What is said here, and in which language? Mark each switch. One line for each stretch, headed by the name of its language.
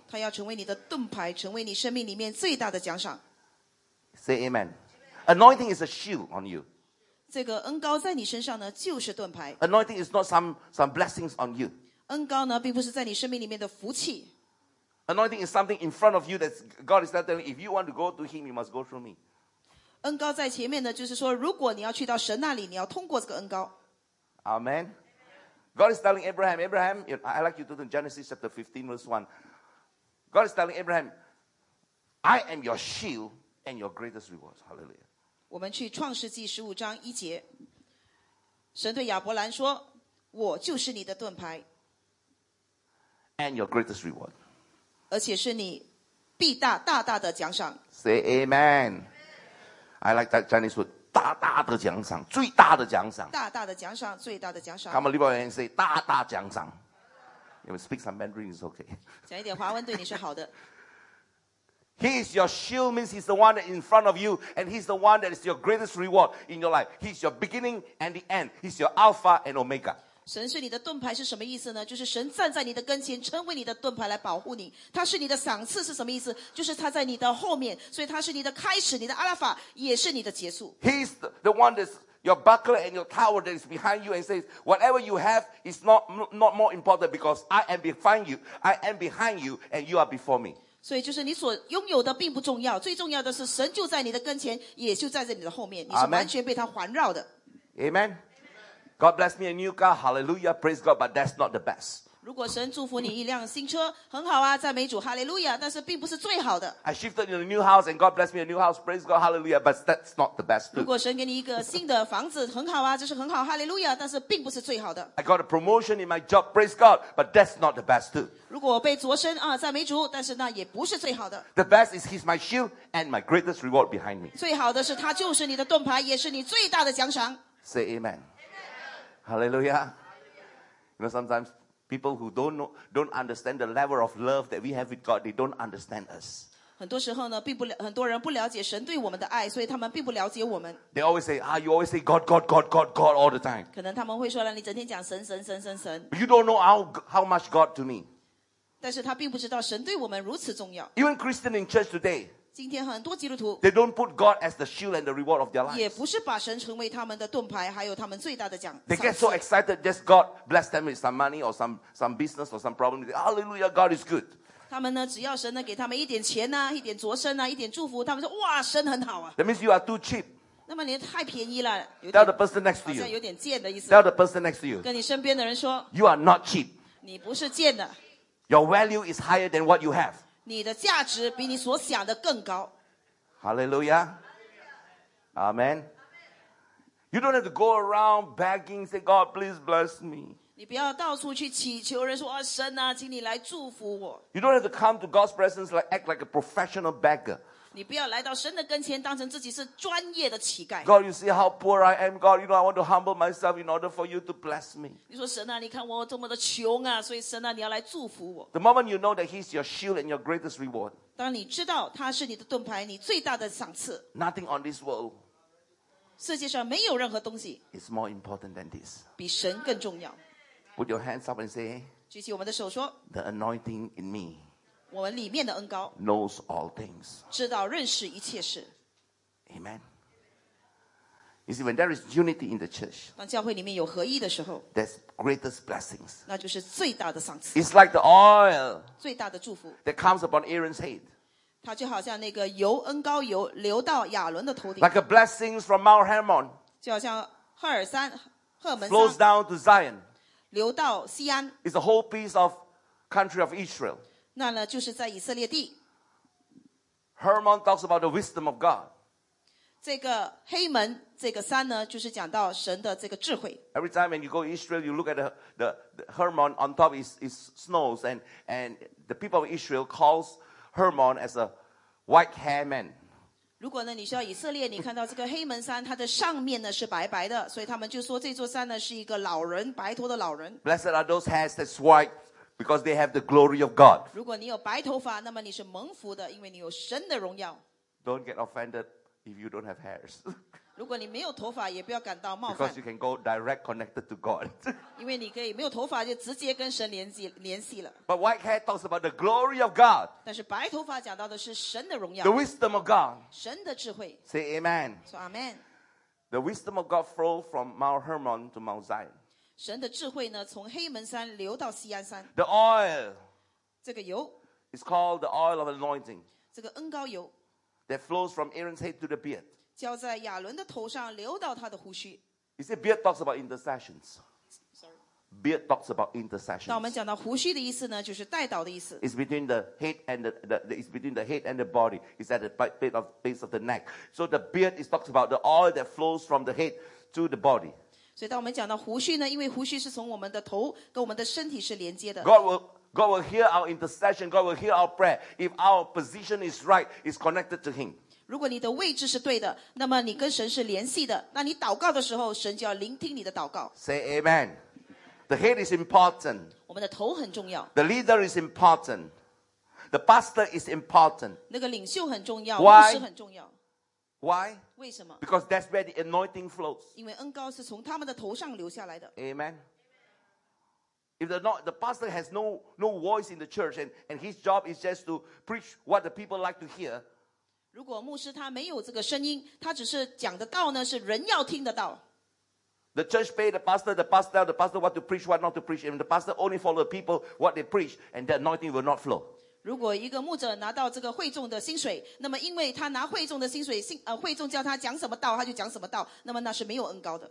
Chinese: 他要成为你的盾牌，成为你生命里面最大的奖赏。
English: Say amen. Anointing is a shield on you.
Chinese: 这个恩膏在你身上呢，就是盾牌。
English: Anointing is not some blessings on you.
Chinese: 恩膏呢，并不是在你生命里面的福气。
English: Anointing is something in front of you that God is telling you, if you want to go to Him, you must go through me.
Chinese: 恩膏在前面呢，就是说，如果你要去到神那里，你要通过这个恩膏。
English: Amen. God is telling Abraham, I like you to do Genesis chapter 15, verse 1. God is telling Abraham, I am your shield and your greatest reward. Hallelujah.
Chinese: 我们去创世纪十五章一节，神对亚伯兰说：“我就是你的盾牌
English: ，and your greatest reward，
Chinese: 而且是你必大大大的奖赏。”
English: Say amen. I like that Chinese word.
Chinese: 大大的奖赏，最大的奖赏。大大的奖赏，最大的奖赏。
English: Come on, liberal and say
Chinese: 大大奖赏。
English: If you speak some Mandarin, it's okay.
Chinese: 讲一点华文对你是好的。
English: He is your shield, means he's the one that is in front of you, and he's the one that is your greatest reward in your life. He's your beginning and the end. He's your Alpha and Omega.
Chinese: 神是你的盾牌是什么意思呢？就是神站在你的跟前，成为你的盾牌来保护你。他是你的赏赐是什么意思？就是他在你的后面，所以他是你的开始，你的 Alpha 也是你的结束。
English: He's the one that's your buckler and your tower that is behind you and says, whatever you have is not more important because I am behind you. I am behind you and you are before me.
Chinese: 所以就是你所拥有的并不重要，最重要的是神就在你的跟前，也就在你的后面，你是完全被他环绕的。
English: Amen. God bless me a new car. Hallelujah. Praise God. But that's not the best.
Chinese: 如果神祝福你一辆新车，很好啊，赞美主，哈利路亚，但是并不是最好的。
English: I shifted in a new house and God blessed me a new house, praise God, hallelujah, but that's not the best too.
Chinese: 如果神给你一个新的房子，很好啊，这是很好，哈利路亚，但是并不是最好的。
English: I got a promotion in my job, praise God, but that's not the best too.
Chinese: 如果被擢升啊，赞美主，但是那也不是最好的。
English: The best is He's my shield and my greatest reward behind me.
Chinese: 最好的是他就是你的盾牌，也是你最大的奖赏。
English: Say amen. Hallelujah. You know, sometimes people who don't understand the level of love that we have with God, they don't understand us.
Chinese: 很多时候呢，很多人不了解神对我们的爱，所以他们并不了解我们。
English: They always say, ah, you always say God, God, God, God, God all the time.
Chinese: 可能他们会说了，你整天讲神，神，神，神，神。
English: You don't know how much God to me.
Chinese: 但是他并不知道神对我们如此重要。
English: Even Christian in church today,
Chinese: 今天很多基督徒
English: they don't put God as the shield and the reward of their lives.
Chinese: 也不是把神成为他们的盾牌，还有他们最大的奖。
English: They get so excited just God bless them with some money or some business or some problem. Hallelujah, God is good.
Chinese: 他们呢，只要神能给他们一点钱啊，一点擢升啊，一点祝福，他们说哇，神很好啊。
English: That means you are too cheap.
Chinese: 那么你太便宜了。
English: Tell the person next to you.
Chinese: 好像有点贱的意思。
English: Tell the person next to you.
Chinese: 跟你身边的人说
English: you are not cheap.
Chinese: 你不是贱的。
English: Your value is higher than what you have.
Chinese: 你的价值比你所想的更高。
English: Hallelujah. Amen. You don't have to go around begging, say, God, please bless me.
Chinese: 你不要到处去祈求人说，神啊，请你来祝福我。
English: You don't have to come to God's presence like act like a professional beggar.
Chinese: 你不要来到神的跟前当成自己是专业的乞丐。
English: God, you see how poor I am, God. You know, I want to humble myself in order for you to bless me.
Chinese: 你说神啊，你看我多么的穷啊，所以神啊，你要来祝福我。
English: The moment you know that He's your shield and your greatest reward.
Chinese: 当你知道他是你的盾牌，你最大的赏赐。
English: Nothing on this world.
Chinese: 世界上没有任何东西。
English: It's more important than this.
Chinese: 比神更重要。
English: Put your hands up and say.
Chinese: 举起我们的手说。
English: The anointing in me.
Chinese: 我们里面的恩高
English: knows all things.
Chinese: 知道认识一切事。
English: Amen. You see, when there is unity in the church,
Chinese: 当教会里面有合一的时候
English: there's greatest blessings.
Chinese: 那就是最大的赏赐。
English: It's like the oil
Chinese: 最大的祝福
English: that comes upon Aaron's head.
Chinese: 它就好像那个油恩高油流到亚伦的头顶。
English: Like a blessing from Mount Hermon.
Chinese: 就好像赫尔山赫门山
English: flows down to Zion.
Chinese: 流到西安。
English: It's a whole piece of country of Israel.
Chinese: 那呢就是在以色列地。
English: Hermon talks about the wisdom of God.
Chinese: 这个黑门这个山呢就是讲到神的这个智慧。
English: Every time when you go to Israel, you look at the Hermon on top is snows and the people of Israel calls Hermon as a white hair man.
Chinese: 如果呢你需要以色列你看到这个黑门山它的上面呢是白白的所以他们就说这座山呢是一个老人白头的老人。
English: Blessed are those hairs that's white. Because they have the glory of God.
Chinese: 如果你有白头发，那么你是蒙福的，因为你有神的荣耀。
English: Don't get offended if you don't have hairs.
Chinese: 如果你没有头发，也不要感到冒犯。
English: Because you can go direct connected to God.
Chinese: 因为你可以没有头发就直接跟神联系了。
English: But white hair talks about the glory of God.
Chinese: 但是白头发讲到的是神的荣耀。
English: The wisdom of God.
Chinese: 神的智慧。
English: Say amen.
Chinese: 说 amen.
English: The wisdom of God flowed from Mount Hermon to Mount Zion.
Chinese: 神的智慧呢从黑门山流到锡安山
English: The oil
Chinese: 这个油
English: is called the oil of anointing
Chinese: 这个恩膏油
English: that flows from Aaron's head to the beard
Chinese: 浇在亚伦的头上流到他的胡须
English: You see beard talks about intercessions Beard talks about intercessions
Chinese: 当我们讲到胡须的意思呢就是代祷的意思
English: It's between the head and it's between the head and the body It's at the base of the neck So the beard is talks about the oil that flows from the head to the body
Chinese: 所以当我们讲到胡须呢因为胡须是从我们的头跟我们的身体是连接的
English: God will hear our intercession God will hear our prayer If our position is right It's connected to Him
Chinese: 如果你的位置是对的那么你跟神是联系的那你祷告的时候神就要聆听你的祷告
English: Say Amen The head is important
Chinese: 我们的头很重要
English: The leader is important The pastor is important
Chinese: 那个领袖很重要
English: Why?
Chinese: 牧师很重要
English: Why?
Chinese: 为什么?
English: Because that's where the anointing flows.
Chinese: 因为恩膏是从他们的头上流下来的。
English: Amen. If the pastor has no voice in the church and his job is just to preach what the people like to hear.
Chinese: 如果牧师他没有这个声音他只是讲的道呢是人要听的道。
English: The church pay the pastor what to preach, what not to preach. And the pastor only follow the people, what they preach, and the anointing will not flow.
Chinese: 如果一个牧者拿到这个会众的薪水，那么因为他拿会众的薪水，会众叫他讲什么道，他就讲什么道，那么那是没有恩膏的。